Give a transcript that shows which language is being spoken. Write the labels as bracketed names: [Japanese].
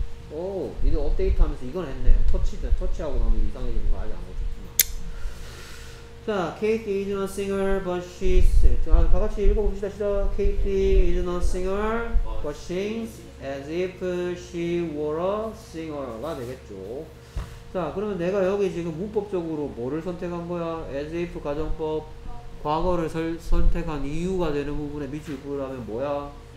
[Korean] 오, 이거 업데이트 하면서 이건 했네. 터치하고 나면 이상해지는 거 아직 안 보셨구나. 자, [English] Kate is not a singer, but she's. [Korean] 자, 다 같이 읽어봅시다. 시작. [English] Kate is not a singer, but sings as if she were a singer [Korean] 가 되겠죠. 자, 그러면 내가 여기 지금 문법적으로 뭐를 선택한 거야? As if 가정법 과거를 선택한 이유가 되는 부분에 미칠 부분이라면 뭐야?